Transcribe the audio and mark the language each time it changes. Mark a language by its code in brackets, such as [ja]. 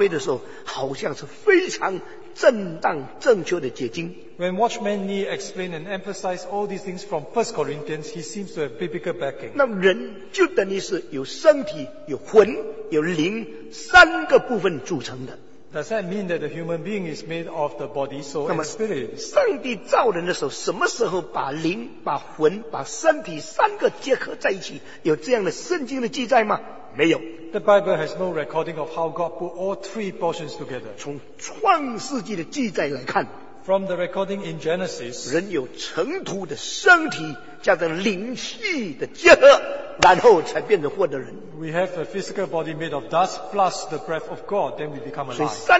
[zh] 当尼托生从哥林多前书这些保罗的话大大发挥的时候，好像是非常 正当正确的解经。 [en] When Watchman Nee explained and emphasized all these things from 1 Corinthians, he seems to have biblical backing. [zh] 那人就等于是有身体、有魂、有灵三个部分组成的。 [en] Does that mean that the human being is made of the body, soul, and spirit? [zh] 上帝造人的时候，什么时候把灵、把魂、把身体三个结合在一起？有这样的圣经的记载吗？没有。 [en] The Bible has no recording of how God put all three portions together. [zh] 从创世纪的记载来看, [en] from the recording in Genesis, [zh] 人有尘土的身体加上灵气的结合, 然后才变成活的人。 [en] We have a physical body made of dust plus the breath of God, then we become alive.